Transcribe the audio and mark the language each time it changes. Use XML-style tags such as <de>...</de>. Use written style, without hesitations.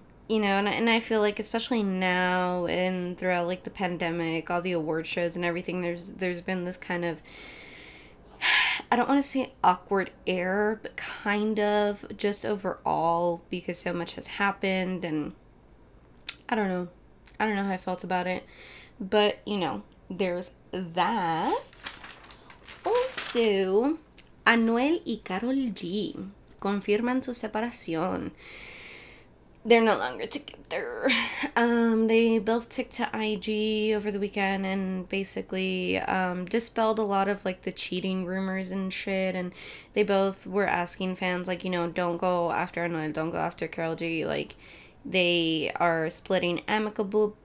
<en>And I feel like especially now and throughout like the pandemic, all the award shows and everything, there's been this kind of, I don't want to say awkward air, but kind of just overall because so much has happened and I don't know how I felt about it, but there's that.</en> <es>Also, Anuel y Karol G confirman su separación.</es> <en>They're no longer together. They both took to IG over the weekend and basically dispelled a lot of like the cheating rumors and shit. And they both were asking fans like, don't go after Anuel, don't go after Karol G. Like, they are splitting amicably.</en>